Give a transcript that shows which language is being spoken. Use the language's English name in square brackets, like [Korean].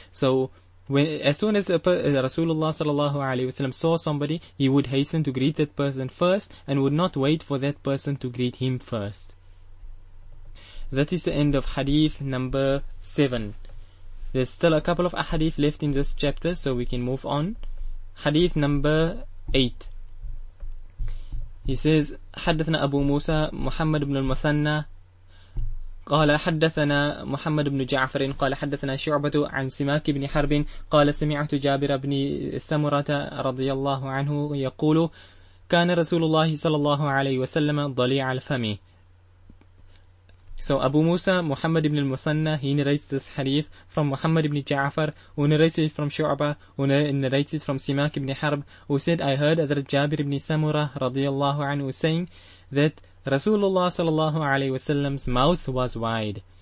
[English] So when, as soon as Rasulullah sallallahu alaihi wasallam saw somebody, he would hasten to greet that person first and would not wait for that person to greet him first. That is the end of hadith number 7. There's still a couple of ahadith left in this chapter, so we can move on. Hadith number 8. He says, [Arabic] حدثنا أبو موسى محمد بن المثنى قال حدثنا محمد بن جعفر قال حدثنا شعبة عن سماك بن حرب قال سمعت جابر بن سمرة رضي الله عنه يقول كان رسول الله صلى الله عليه وسلم ضليع الفم. [English] So Abu Musa Muhammad ibn al-Muthanna, he narrates this hadith from Muhammad ibn Ja'far, who narrates it from Shu'bah, who narrates it from Simak ibn Harb, who said, I heard Hazrat Jabir ibn Samura radiyallahu anhu saying that Rasulullah sallallahu alayhi wasallam's mouth was wide.